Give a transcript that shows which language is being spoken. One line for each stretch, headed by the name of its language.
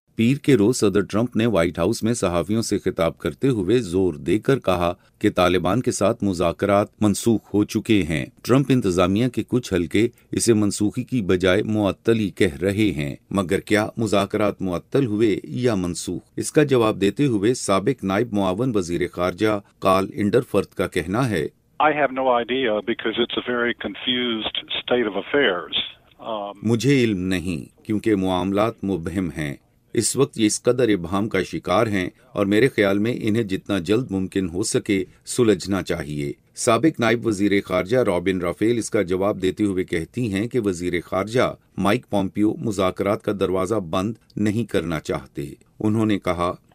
Urdu: پیر کے روز صدر ٹرمپ نے وائٹ ہاؤس میں صحافیوں سے خطاب کرتے ہوئے زور دے کر کہا کہ طالبان کے ساتھ مذاکرات منسوخ ہو چکے ہیں۔ ٹرمپ انتظامیہ کے کچھ حلقے اسے منسوخی کی بجائے معطلی کہہ رہے ہیں، مگر کیا مذاکرات معطل ہوئے یا منسوخ؟ اس کا جواب دیتے ہوئے سابق نائب معاون وزیر خارجہ کارل انڈرفورتھ کا کہنا ہے،
English: I have no idea because it's a very confused state of affairs.
Urdu: مجھے علم نہیں کیونکہ معاملات مبہم ہیں، اس وقت یہ اس قدر ابہام کا شکار ہیں اور میرے خیال میں انہیں جتنا جلد ممکن ہو سکے سلجھنا چاہیے۔ سابق نائب وزیر خارجہ رابن رافیل اس کا جواب دیتے ہوئے کہتی ہیں کہ وزیر خارجہ مائیک پومپیو مذاکرات کا دروازہ بند نہیں کرنا چاہتے۔ انہوں نے کہا،